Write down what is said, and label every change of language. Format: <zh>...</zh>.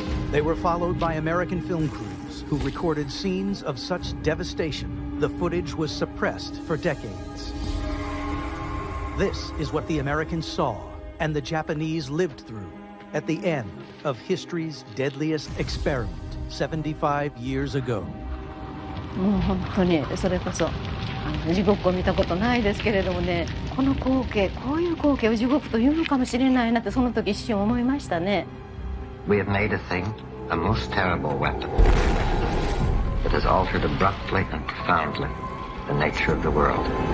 <en>They were followed by American film crews who recorded scenes of such devastation, the footage was suppressed for decades. This is what the Americans saw and the Japanese lived through at the end of history's deadliest experiment. 75 years ago.</en> <ja>もう本当にそれこそ地獄を見たことないですけれどもね、この光景、こういう光景を地獄というのかもしれないなってその時一瞬思いましたね。</ja> <en>We have made a thing, a most terrible weapon. It has altered abruptly and profoundly the nature of the world.</en>